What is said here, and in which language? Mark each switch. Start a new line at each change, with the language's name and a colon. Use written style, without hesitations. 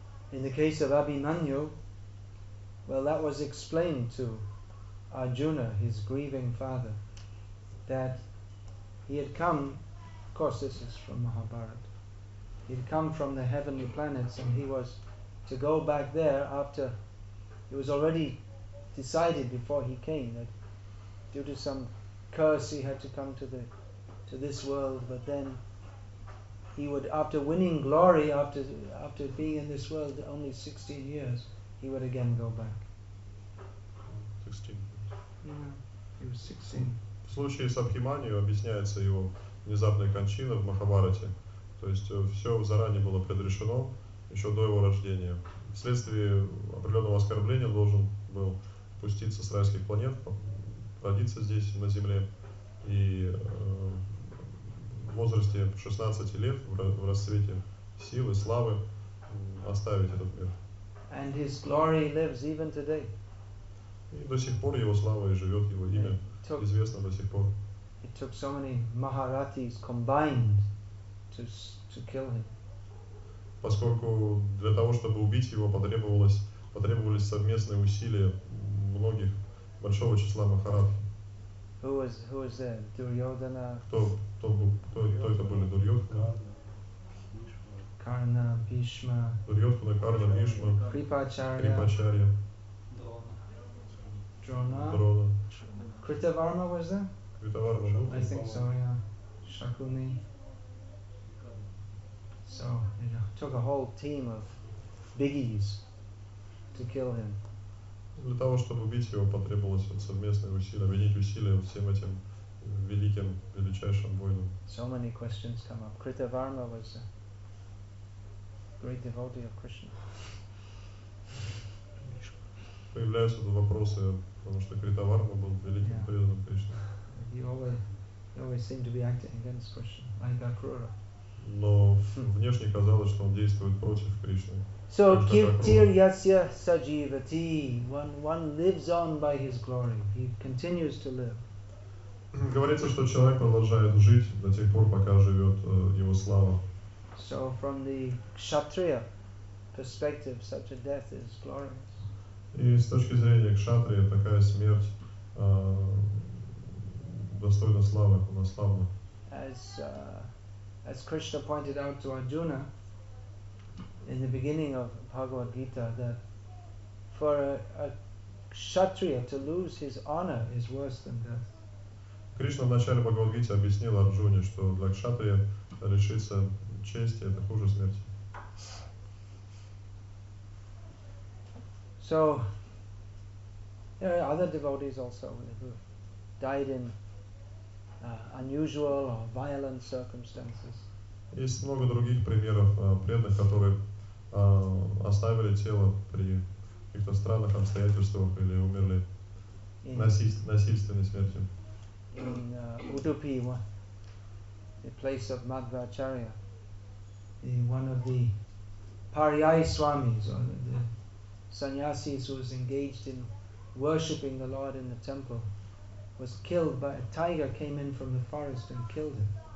English: In the case of Abhimanyu, well, that was explained to Arjuna, his grieving father, that he had come, of course this is from Mahabharata, he had come from the heavenly planets and he was to go back there after it was already decided before he came that due to some curse he had to come to this world, but then he would, after winning glory, after being in this world only 16 years, he would again go back. 16. Yeah, he was 16.
Russian: В случае с Абхиманью объясняется его внезапная кончина в Махабхарате. То есть все заранее было предрешено, еще до его рождения. Вследствие определенного оскорбления должен был спуститься с райских планет, родиться здесь, на Земле. И в возрасте 16 лет, в расцвете силы, славы, оставить этот мир.
English: And his glory lives even today.
Russian: И до сих пор его слава и живет его имя.
English: It took so many Maharatis combined to kill him.
Russian: Поскольку для того, чтобы убить его, потребовались совместные усилия многих большого числа Махарат.
English: Who was there? Duryodhana.
Russian: Кто это были? Дурьодхана. Карна, Бишма. Дурьодхана, Карна, Бишма. Крипачарья. Дрона.
English: Kritavarma was there? Kritavarma, no. I think so, yeah. Shakuni. So, it took a whole team of biggies to kill him.
Russian: Для того, чтобы убить его, потребовалось совместное усилие, объединить усилия всем этим великим, величайшим воинам.
English: So many questions come up. Kritavarma was a great devotee of Krishna.
Russian: Появляются тут вопросы, потому что Критаварма был великим преданным Кришне.
English: He always seemed to be acting against Krishna, like Акрура.
Russian: Но внешне казалось, что он действует против Кришны.
English: So Kirtir Yasya Sajivati, one lives on by his glory. He continues to live.
Russian: Говорится, что человек продолжает жить до тех пор, пока живет его слава.
English: So from the Kshatriya perspective, such a death is glorious.
Russian: И с точки зрения кшатрии, такая смерть достойна славы, она славна.
English: As Krishna pointed out to Arjuna in the beginning of Bhagavad Gita, that for a kshatriya to lose his honor is worse than death.
Russian: Кришна в начале Бхагавад Гиты объяснил Арджуне, что для кшатрии лишиться чести – это хуже смерти.
English: So, there are other devotees also who died in unusual or violent circumstances.
Russian: Есть много других примеров преданных, которые оставили тело при каких-то странных обстоятельствах или умерли насильственной смертью.
English: In Udupi, the place of Madhvacharya, one of the Pariyai Swamis, or the Sannyasis who was engaged in worshipping the Lord in the temple was killed by a tiger came in from the forest and killed him.